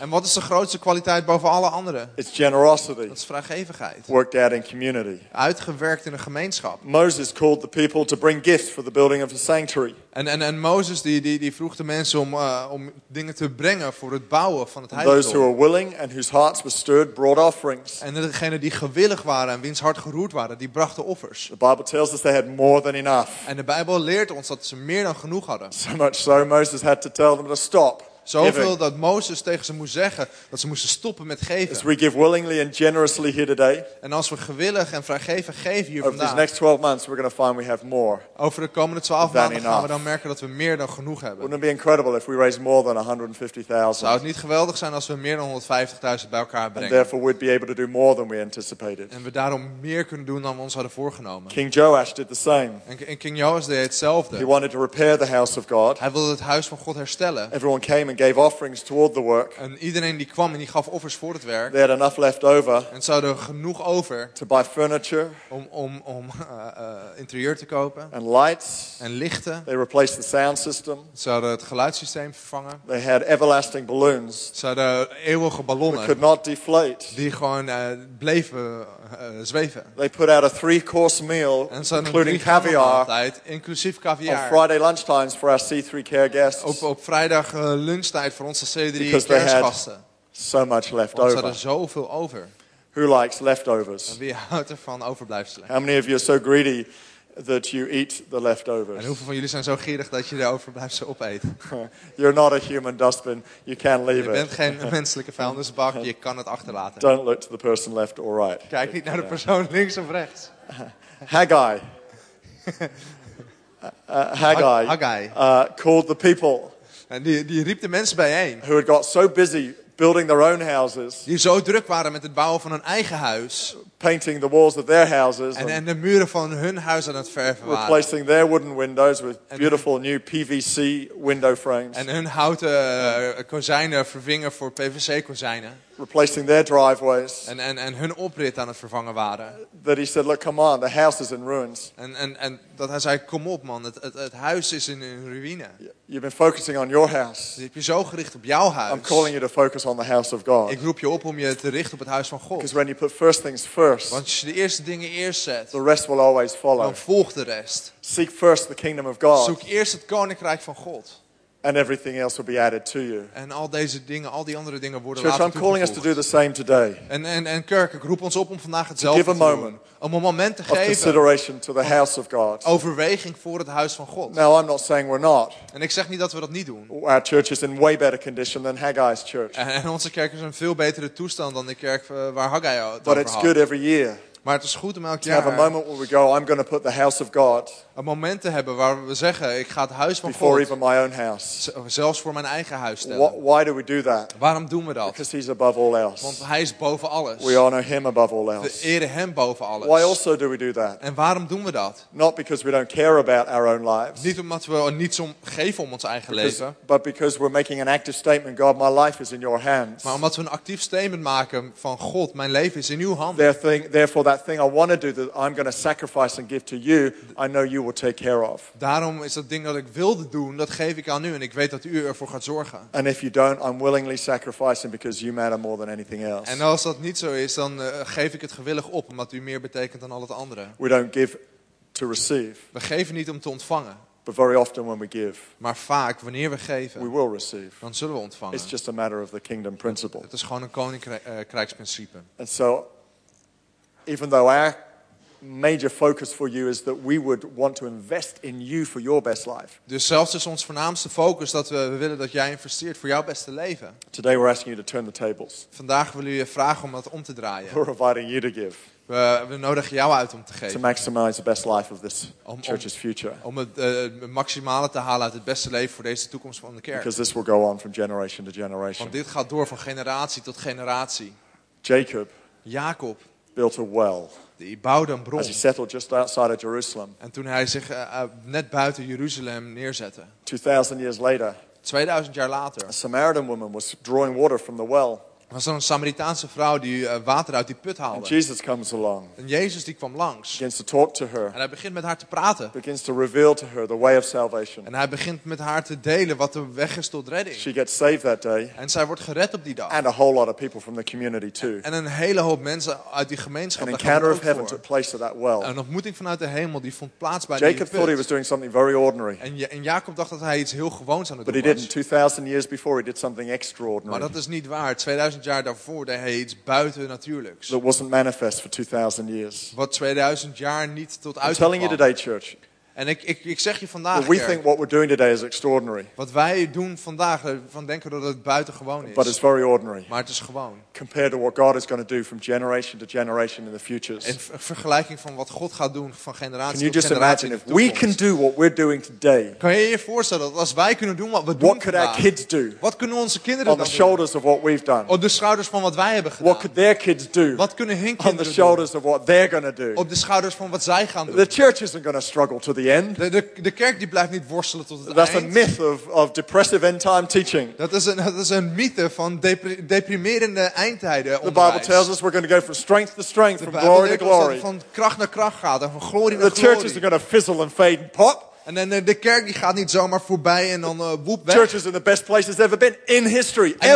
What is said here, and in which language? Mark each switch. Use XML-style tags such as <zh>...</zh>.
<nl>En wat is de grootste kwaliteit boven alle anderen?</nl> <en>It's generosity.</en> <nl>Dat is vrijgevigheid.</nl> <en>Worked out in community.</en> <nl>Uitgewerkt in een gemeenschap.</nl> <en>Moses called the people to bring gifts for the building of the sanctuary.</en> <nl>En Mozes die vroeg de mensen om dingen te brengen voor het bouwen van het heiligdom.</nl> <en>Those who were willing and whose hearts were stirred brought offerings.</en> <nl>En degene die gewillig waren en wiens hart geroerd waren, die brachten offers.</nl> <en>The Bible tells us they had more than enough.</en> <nl>En de Bijbel leert ons dat ze meer dan genoeg hadden.</nl> <en>So much so Moses had to tell them to stop.</en> <nl>Zoveel dat Mozes tegen ze moest zeggen dat ze moesten stoppen met geven.</nl> <en>As we give willingly and generously here today.</en> <nl>En als we gewillig en vrijgevig geven hier vandaag.</nl> <en>Over the next 12 months we're going to find we have more.</en> <nl>Over de komende 12 maanden gaan we dan merken dat we meer dan genoeg hebben.</nl> <en>Wouldn't it be incredible if we raise more than 150,000?</en> <nl>Zou het niet geweldig zijn als we meer dan 150.000 bij elkaar brengen?</nl> <en>And therefore we'd be able to do more than we anticipated.</en> <nl>En we daarom meer kunnen doen dan we ons hadden voorgenomen.</nl> <en>King Joash did the same.</en> <nl>En King Joash deed hetzelfde.</nl> <en>He wanted to repair the house of God.</en> <nl>Hij wilde het huis van God herstellen.</nl> <en>Everyone came and gave offerings toward the work.</en> <nl>En iedereen die kwam en die gaf offers voor het werk.</nl> <en>They had enough left over.</en> <nl>En ze hadden genoeg over.</nl> <en>To buy furniture.</en> <nl>Om interieur te kopen.</nl> <en>And lights.</en> <nl>En lichten.</nl> <en>They replaced the sound system.</en> <nl>Ze hadden het geluidssysteem vervangen.</nl> <en>They had everlasting balloons.</en> <nl>Ze hadden eeuwige ballonnen.</nl> <en>That could not deflate.</en> <nl>Die gewoon bleven zweven.</nl> <en>They put out a three-course meal, including caviar.</en> <nl>Inclusief caviar.</nl> <en>On Friday lunchtimes for our C3 care guests.</en> <nl>Op vrijdag lunchtijd voor onze C3 kerstgasten.</nl> <en>So much left over.</en> <nl>Ze hadden zoveel over.</nl> <en>Who likes leftovers?</en> <nl>En wie houdt ervan overblijfselen?</nl> <en>How many of you are so greedy that you eat the leftovers?</en> <nl>En hoeveel van jullie zijn zo gierig dat je de overblijfselen opeet?</nl> <en>You're not a human dustbin. You can't leave it.</en> <nl>Je bent geen menselijke vuilnisbak. Je kan het achterlaten.</nl> <en>Don't look to the person left or right.</en> <nl>Kijk niet naar de persoon links of rechts.</nl> <en>Haggai.</en> <nl>Haggai.</nl> <en>Called the people.</en> <nl>En die riep de mensen bijeen.</nl> <en>Who had got so busy building their own houses.</en> <nl>Die zo druk waren met het bouwen van hun eigen huis.</nl> <en>Painting the walls of their houses.</en> <nl>En de muren van hun huis aan het verven waren.</nl> <en>Replacing their wooden windows with beautiful new PVC window frames.</en> <nl>En hun houten kozijnen vervingen voor PVC kozijnen.</nl> <en>Replacing their driveways.</en> <nl>En hun oprit aan het vervangen waren.</nl> <en>That he said, look, come on, the house is in ruins.</en> <nl>En dat hij zei, kom op man, het huis is in een ruïne.</nl> <en>You've been focusing on your house.</en> <nl>Je hebt je zo gericht op jouw huis.</nl> <en>I'm calling you to focus on the house of God.</en> <nl>Ik roep je op om je te richten op het huis van God.</nl> <en>Because when you put first things first.</en> <nl>Want als je de eerste dingen eerst zet.</nl> <en>The rest will always follow.</en> <nl>Dan volgt de rest.</nl> <en>Seek first the kingdom of God.</en> <nl>Zoek eerst het koninkrijk van God.</nl> <en>And everything else will be added to you.</en> <nl>En al deze dingen, al die andere dingen worden later toegevoegd.</nl> <en>I'm calling us to do the same today.</en> <nl>En kerk, ik roep ons op om vandaag hetzelfde</nl> <en>give a moment</en> <nl>te doen. Om een moment te geven.</nl> <en>Of consideration to the house of God.</en> <nl>Overweging voor het huis van God.</nl> <en>Now I'm not saying we're not.</en> <nl>En ik zeg niet dat we dat niet doen.</nl> <en>Our church is in way better condition than Haggai's church.</en> <nl>En onze kerk is in veel betere toestand dan de kerk waar Haggai het over had.</nl> <en>But it's good every year.</en> <nl>Maar het is goed om elk jaar</nl> <en>have a moment where we go, I'm going to put the house of God.</en> <nl>Een moment te hebben waar we zeggen, ik ga het huis van</nl> <en>before</en> <nl>God.</nl> <en>Even my own house.</en> <nl>Zelfs voor mijn eigen huis stellen.</nl> <en>Why do we do that?</en> <nl>Waarom doen we dat?</nl> <en>Because he's above all else.</en> <nl>Want hij is boven alles.</nl> <en>We honor him above all else.</en> <nl>We eren hem boven alles.</nl> <en>Why also do we do that?</en> <nl>En waarom doen we dat?</nl> <en>Not because we don't care about our own lives.</en> <nl>Niet omdat we niets om geven om ons eigen leven.</nl> <en>But because we're making an active statement, God, my life is in your hands.</en> <nl>Maar omdat we een actief statement maken van God, mijn leven is in uw handen.</nl> <en>Therefore that thing I want to do that I'm going to sacrifice and give to you, I know you will take care of.</en> <nl>Daarom is dat ding dat ik wilde doen, dat geef ik aan u en ik weet dat u ervoor gaat zorgen.</nl> <en>And if you don't, I'm willingly sacrificing because you matter more than anything else.</en> <nl>En als dat niet zo is, dan geef ik het gewillig op omdat u meer betekent dan al het andere.</nl> <en>We don't give to receive.</en> <nl>We geven niet om te ontvangen.</nl> <en>But very often when we give,</en> <nl>maar vaak wanneer we geven,</nl> <en>we will receive.</en> <nl>Dan zullen we ontvangen.</nl> <en>It's just a matter of the kingdom principle.</en> <nl>Het is gewoon een koninkrijksprincipe.</nl> <en>And so even though our major focus for you is that we would want to invest in you for your best life.</en> <nl>Dus zelfs is ons voornaamste focus dat we willen dat jij investeert voor jouw beste leven.</nl> <en>Today we're asking you to turn the tables.</en> <nl>Vandaag willen we je vragen om dat om te draaien.</nl> <en>We're inviting you to give.</en> <nl>We nodigen jou uit om te geven.</nl> <en>To maximize the best life of this church's future.</en> <nl>Om het maximale te halen uit het beste leven voor deze toekomst van de kerk.</nl> <en>Because this will go on from generation to generation.</en> <nl>Want dit gaat door van generatie tot generatie.</nl> <en>Jacob. Built a well.</en> <nl>Die bouwde een bron.</nl> <en>As he settled just outside of Jerusalem.</en> <nl>En toen hij zich net buiten Jeruzalem neerzette.</nl> <en>2000 years later.</en> <nl>2000 jaar later.</nl> <en>A Samaritan woman was drawing water from the well.</en> <nl>Was er een Samaritaanse vrouw die water uit die put haalde.</nl> <en>And Jesus comes along.</en> <nl>En Jezus die kwam langs.</nl> <en>Begins to talk to her.</en> <nl>En hij begint met haar te praten.</nl> <en>Begins to reveal to her the way of salvation.</en> <nl>En hij begint met haar te delen wat de weg is tot redding.</nl> <en>She gets saved that day.</en> <nl>En zij wordt gered op die dag.</nl> <en>And a whole lot of people from the community too.</en> <nl>En een hele hoop mensen uit die gemeenschap.</nl> <en>An encounter of heaven took place at that well.</en> <nl>Een ontmoeting vanuit de hemel die vond plaats bij die put.</nl> <en>Jacob thought he was doing something very ordinary.</en> <nl>En Jacob dacht dat hij iets heel gewoons aan het doen was.</nl> <en>But he didn't. 2000 years before he did something extraordinary.</en> <nl>Maar dat is niet waar. 2000 jaar daarvoor deed hij iets buitennatuurlijks.</nl> <en>That wasn't manifest for 2000 years.</en> <nl>Wat 2000 jaar niet tot uitkwam.</nl> <en>I'm telling you today, church.</en> <nl>En ik zeg je vandaag,</nl> <en>we think what we're doing today is extraordinary.</en> <nl>Wat wij doen vandaag, van denken dat het buitengewoon is.</nl> <en>But it's very ordinary.</en> <nl>Maar het is gewoon.</nl> <en>Compared to what God is going to do from generation to generation in the future.</en> <nl>In vergelijking van wat God gaat doen van generatie tot generatie.</nl> <en>Can you just imagine if we can do what we're doing today?</en> <nl>Kan je je voorstellen dat als wij kunnen doen wat we doen vandaag?</nl> <en>What could our kids do?</en> <nl>Wat kunnen onze kinderen dan doen?</nl> <en>On the shoulders of what we've done.</en> <nl>Op de schouders van wat wij hebben gedaan.</nl> <en>What could their kids do?</en> <nl>Wat kunnen hun kinderen doen?</nl> <en>On the shoulders of what they're going to do.</en> <nl>Op de schouders van wat zij gaan doen.</nl> <en>The church isn't going to struggle to the end.</en> <nl>De kerk die blijft niet worstelen tot het</nl> <en>That's</en> <nl>eind.</nl> <en>That's a myth of depressive end time teaching.</en> <nl>Dat is een mythe van deprimerende eindtijden onderwijs.</nl> <en>The Bible tells us we're going to go from strength to strength, from glory to glory.</en> <nl>Van kracht naar kracht gaat en van glorie naar glorie.</nl> <en>The churches are going to fizzle and fade and pop.</en> <nl>En de kerk die gaat niet zomaar voorbij en dan woep weg.</nl> <en>Churches are the best places ever been in history, ever.</en>